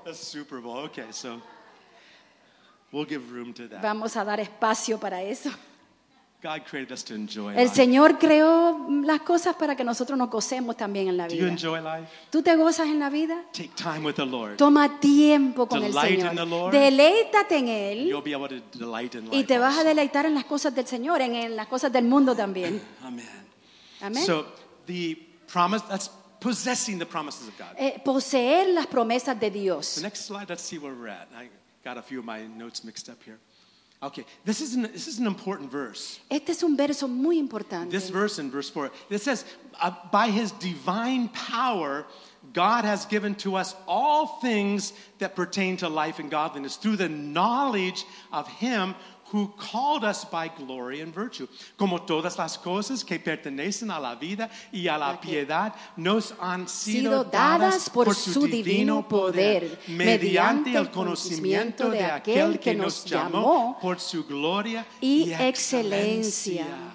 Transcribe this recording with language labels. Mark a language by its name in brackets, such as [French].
[English] The Super Bowl, okay, so we'll give room to that. [Spanish] Vamos a dar espacio para eso. [English] God created us to enjoy [Spanish] el [English] life. [Spanish] Señor creó las cosas para que nosotros nos gocemos también en la vida. [English] Do you enjoy life? [Spanish] ¿Tú te gozas en la vida? [English] Take time with the Lord. [Spanish] Toma tiempo con [English] delight [Spanish] el Señor. [English] In the Lord, [Spanish] deleítate en Él. [English] You'll be able to delight in life [Spanish] y te vas [English] also. [Spanish] A deleitar en las cosas del Señor, en las cosas del mundo también. Amen. Amen. [English] So, the promise, that's possessing the promises of God. [Spanish] Poseer las promesas de Dios. [English] The next slide, let's see where we're at. I got a few of my notes mixed up here. Okay, this is an important verse. [Spanish] Este es un verso muy importante. [English] This verse in verse 4, it says, by his divine power, God has given to us all things that pertain to life and godliness through the knowledge of him who called us by glory and virtue. [Spanish] Como todas las cosas que pertenecen a la vida y a la piedad nos han sido dadas por su divino poder mediante el conocimiento de aquel que nos llamó por su gloria y excelencia.